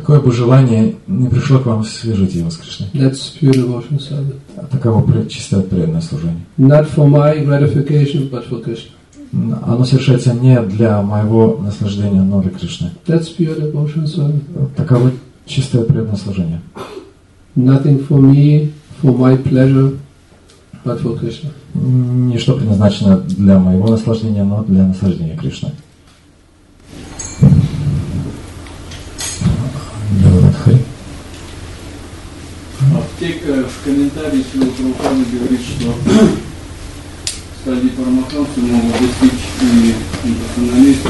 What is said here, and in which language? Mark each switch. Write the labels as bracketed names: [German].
[Russian] Какое бы желание не пришло к вам, свяжите его с Кришной. [English] That's pure devotion service. [Russian] Таково чистое преданное служение. [English] Not for my gratification, but for Krishna. [Russian] Оно совершается не для моего наслаждения, но для Кришны. [English] That's pure devotion service. [Russian] Таково чистое преданное служение. [English] Nothing for me, for my pleasure, but for Krishna. [Russian] Ничто предназначено для моего наслаждения, но для наслаждения Кришны. Аптека в комментарии Шрилы Прабхупады говорит, что стадии Парамахамсы могут достичь и имперсоналисты.